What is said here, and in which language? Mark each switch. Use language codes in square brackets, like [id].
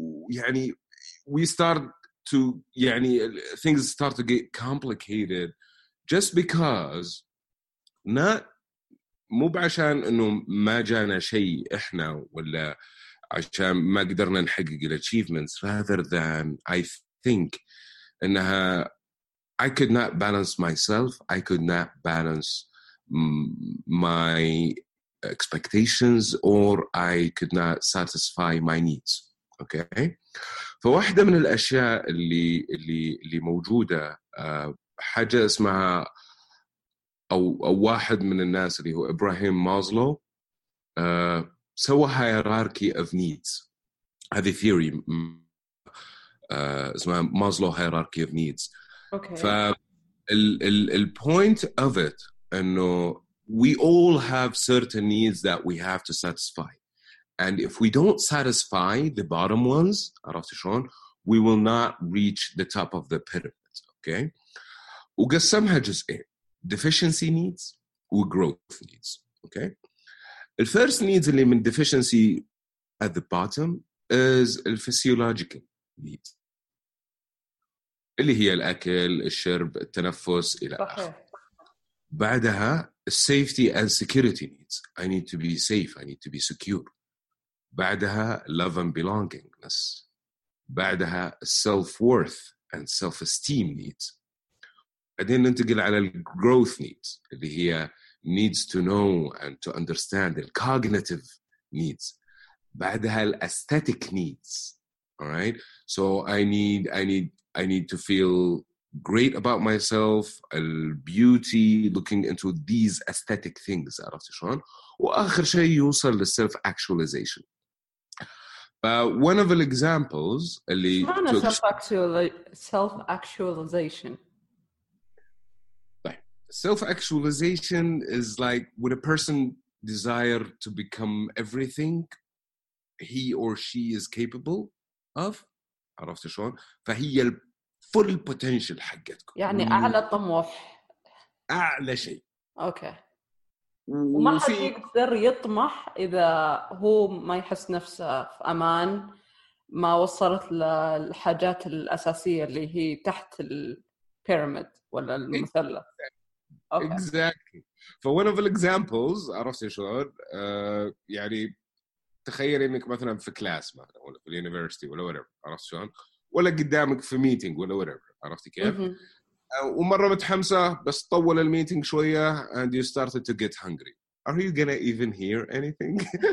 [en] يعني we start to, يعني things start to get complicated just because, not [ar] مو بعشان انه ما جانا شيء احنا ولا عشان ما قدرنا نحقق الاتشيفمنتس, [en] rather than I think انها I could not balance myself, I could not balance my expectations, or I could not satisfy my needs. [ar] Okay, فواحدة من الأشياء اللي موجودة حاجة اسمها أو واحد من الناس اللي هو إبراهيم مازلو سوى hierarchy of needs. [en] هذه theory اسمها Maslow hierarchy of needs. Okay. فال point of it إنه we all have certain needs that we have to satisfy. And if we don't satisfy the bottom ones, [ar] عرفت شلون, [en] we will not reach the top of the pyramid. Okay. [ar] وقسمها جزئين, [en] deficiency needs and growth needs. Okay. The first needs [ar] اللي من [en] deficiency at the bottom is the physiological needs. [ar] اللي هي الأكل, الشرب, التنفس إلى آخره. [en] بعدها safety and security needs. I need to be safe. I need to be secure. بعدها love and belongingness, بعدها self-worth and self-esteem needs. [ar] بعدين ننتقل على [en] growth needs [ar] اللي هي [en] needs to know and to understand, the cognitive needs. بعدها aesthetic needs. All right. So I need to feel great about myself, beauty, looking into these aesthetic things. [ar] عرفت شلون؟ وآخر شيء يوصل للself-actualization. [en] One of the examples اللي self-actualization. Self-actualization is like when a person desire to become everything he or she is capable of. [ar] عرفت شلون؟ فهي ال full potential حقتك. يعني أعلى طموح. أعلى شيء. [en] Okay. [ar] وما حد يقدر يطمح إذا هو ما يحس نفسه في أمان, ما وصلت للحاجات الأساسية اللي هي تحت البيراميد ولا المثلث. [en] Okay. Exactly. For one of the examples, [ar] عرفت شلون؟ يعني تخيل إنك مثلاً في كلاس مثلاً ولا في اليونيفرستي ولا whatever, عرفت شلون؟ ولا قدامك في ميتينج ولا whatever, عرفت كيف؟ ومرة متحمسة بس طول الميتينج شوية [en] and you started to get hungry. Are you gonna even hear anything?